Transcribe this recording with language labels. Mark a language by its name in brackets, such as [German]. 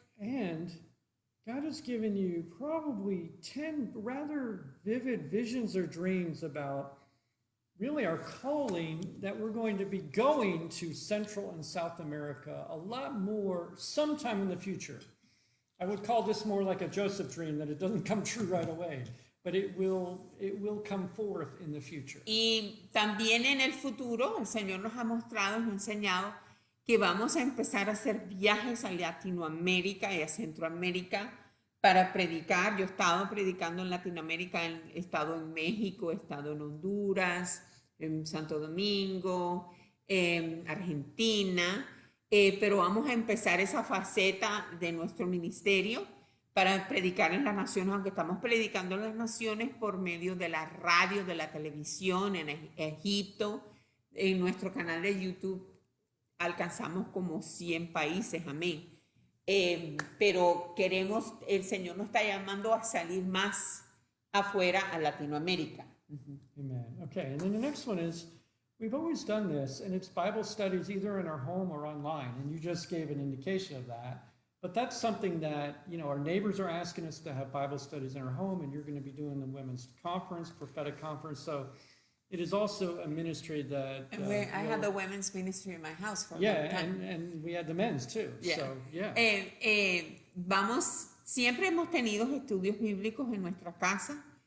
[English] And God has given you probably 10 rather vivid visions or dreams about really our calling that we're going to be going to Central and South America a lot more sometime in the future. I would call this more like a Joseph dream that it doesn't come true right away, but it will come forth in the future. [Spanish] Y también en el futuro, el Señor nos ha mostrado, nos ha enseñado que vamos a empezar a hacer viajes a Latinoamérica y a Centroamérica para predicar. Yo he estado predicando en Latinoamérica, he estado en México, he estado en Honduras, en Santo Domingo, en Argentina, pero vamos a empezar esa faceta de nuestro ministerio para predicar en las naciones, aunque estamos predicando en las naciones por medio de la radio, de la televisión, en Egipto, en nuestro canal de YouTube, alcanzamos como 100 países, amén. Pero queremos, el Señor nos está llamando a salir más afuera a Latinoamérica. [English] Amen. Okay, and then the next one is, we've always done this, and it's Bible studies either in our home or online, and you just gave an indication of that, but that's something that, you know, our neighbors are asking us to have Bible studies in our home, and you're going to be doing the women's conference, prophetic conference, so it is also a ministry that... I had the women's ministry in my house for yeah, a long time. Yeah, and we had the men's too. Yeah. So, yeah. [Spanish] Vamos, siempre hemos tenido estudios bíblicos en nuestra casa.